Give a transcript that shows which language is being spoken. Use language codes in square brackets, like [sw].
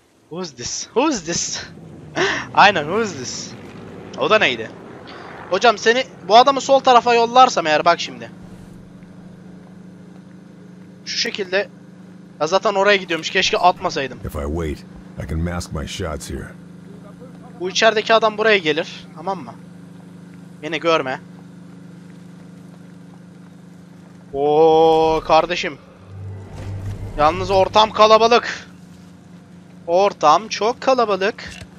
[en] Who's this? Who's this? Aynen who's this? [tr] O da neydi? Hocam seni bu adamı sol tarafa yollarsam eğer bak şimdi. Şu şekilde. Ya zaten oraya gidiyormuş. Keşke atmasaydım. [en] If I wait, I can mask my shots here. [tr] Bu içerideki adam buraya gelir. Tamam mı? Beni görme. Oo kardeşim. Yalnız ortam kalabalık. Ortam çok kalabalık.